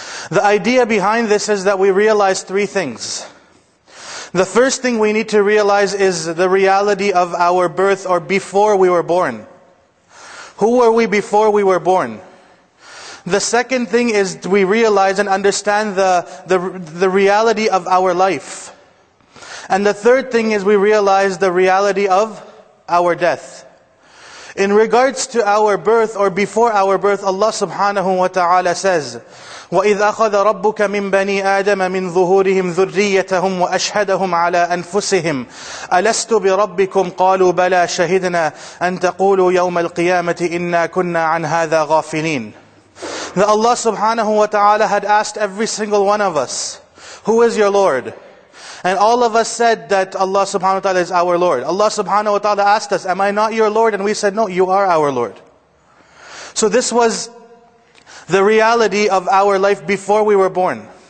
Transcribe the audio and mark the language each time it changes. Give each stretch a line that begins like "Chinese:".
English: The idea behind this is that we realize three things. The first thing we need to realize is the reality of our birth, or before we were born. Who were we before we were born? The second thing is we realize and understand the reality of our life. And the third thing is we realize the reality of our death. In regards to our birth or before our birth, Allah subhanahu wa ta'ala says,
Arabic: وَإِذْ أَخَذَ رَبُّكَ مِنْ بَنِي آدَمَ مِنْ ظُهُورِهِمْ ذُرِّيَّتَهُمْ وَأَشْهَدَهُمْ عَلَىٰ أَنفُسِهِمْ أَلَسْتُ بِرَبِّكُمْ قَالُوا بَلَىٰ شَهِدْنَا أَنْ تَقُولُوا يَوْمَ الْقِيَامَةِ إِنَّا كُنَّا عَنْ هَذَا غَافِلِينَ.
English: That Allah subhanahu wa ta'ala had asked every single one of us, who is your Lord? And all of us said that Allah subhanahu wa ta'ala is our Lord. Allah subhanahu wa ta'ala asked us, am I not your Lord? And we said, no, you are our Lord. So this was the reality of our life before we were born.